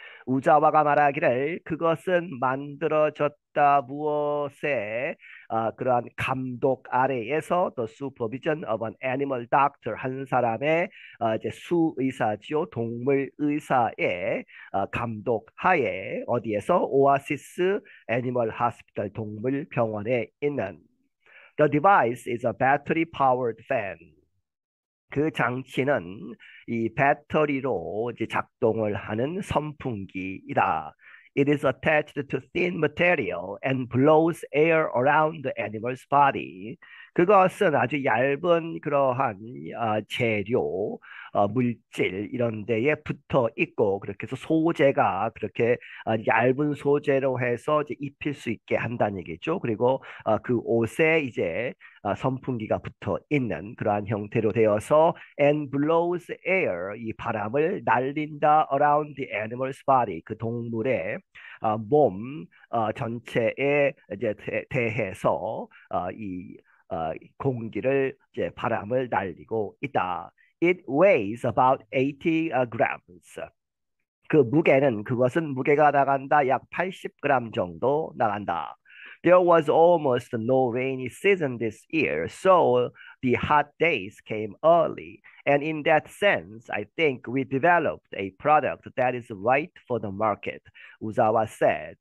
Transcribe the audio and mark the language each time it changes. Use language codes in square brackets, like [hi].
[ko] 우자와가 말하기를 그것은 만들어졌다 무엇에 그러한 감독 아래에서 [en] the supervision of an animal doctor [ko] 한 사람의 이제 수의사지요 동물 의사의 감독 하에 어디에서 오아시스 애니멀 하스피탈 동물 병원에 있는 [en] The device is a battery powered fan. [ko] 그 장치는 이 배터리로 이제 작동을 하는 선풍기이다. [en] It is attached to thin material and blows air around the animal's body. [ko] 그것은 아주 얇은 그러한 재료, 물질 이런 데에 붙어 있고 그렇게 해서 소재가 그렇게 얇은 소재로 해서 이제 입힐 수 있게 한다는 얘기죠. 그리고 그 옷에 이제 선풍기가 붙어 있는 그러한 형태로 되어서 [en] and blows air [ko] 이 바람을 날린다 [en] around the animal's body [ko] 그 동물의 몸 전체에 이제 대해서 이 공기를 이제 바람을 날리고 있다. [en] It weighs about 80 grams. [ko] 그 무게는 그것은 무게가 나간다. 약 80g 정도 나간다. [en] There was almost no rainy season this year, so the hot days came early. And in that sense, I think we developed a product that is right for the market, Uzawa said.